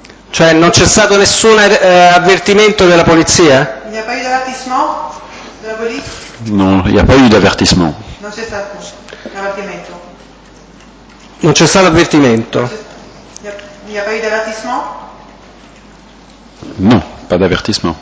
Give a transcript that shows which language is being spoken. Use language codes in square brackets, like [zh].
[it] Cioè non c'è stato nessun avvertimento della polizia? [fr] Non, il n'y a pas eu d'avvertissement. [it] Non c'è stato avvertimento. Non c'è stato avvertimento. [fr] Il n'y a pas eu d'avvertissement? Non, pas d'avvertissement.